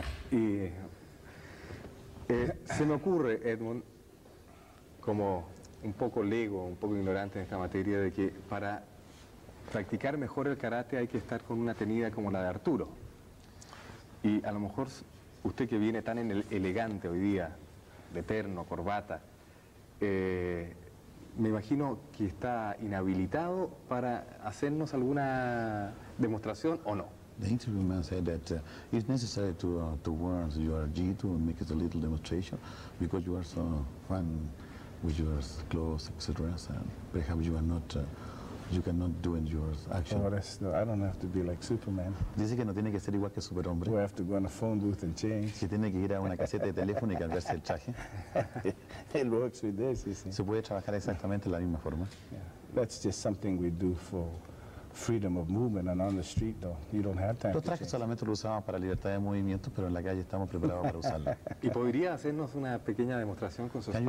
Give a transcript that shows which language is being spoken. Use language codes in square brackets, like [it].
[es] Y se me ocurre, Edmond, como un poco lego, un poco ignorante en esta materia, de que para practicar mejor el karate hay que estar con una tenida como la de Arturo. Y a lo mejor usted, que viene tan elegante hoy día, de terno, corbata, me imagino que está inhabilitado para hacernos alguna demostración o no. [en] The interview man said that it's necessary to wear your gi to make it a little demonstration because you are so fun with your clothes, etc. And perhaps you are not, you cannot do in your action. No, I don't have to be like Superman. [es] Dice que no tiene que ser igual que Superhombre. [en] We have to go on a phone booth and change. [es] Que tiene que ir a una caseta de teléfono y cambiarse el traje. [en] It works with this, you see. [es] Se puede trabajar exactamente la misma forma. [en] Yeah. That's just something we do for freedom of movement and on the street, though you don't have time. [es] Los trajes solamente lo usamos para libertad de movimiento, pero en la calle estamos preparados para usarlo. ¿Y podría hacernos una pequeña demostración con su sparring?